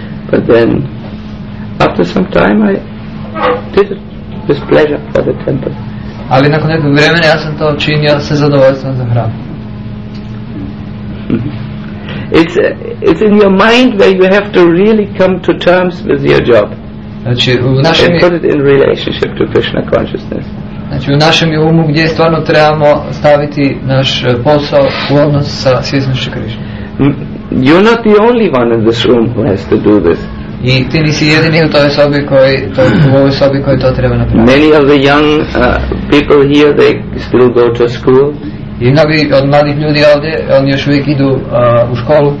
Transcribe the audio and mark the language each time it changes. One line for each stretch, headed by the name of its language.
English: But then, after some time, I did it with pleasure for the temple.
Croatian: Ali nakon nekog vremena ja sam to činio sa zadovoljstvom za hram.
English: It's in your mind where you have to really come to terms with your job.
Croatian: Znači, u našem
English: put it in relationship to Krishna consciousness.
Croatian: Znači, u našem umu gdje stvarno trebamo staviti naš posao u odnos sa svjesnošću Krišne.
English: You're not the only one in this room who has to do this.
Croatian: I ti nisi jedini u toj sobi koji to treba napraviti.
English: Many of the young people here, they still go to school.
Croatian: I mnogi od mladih ljudi ovdje, oni još uvijek idu u školu.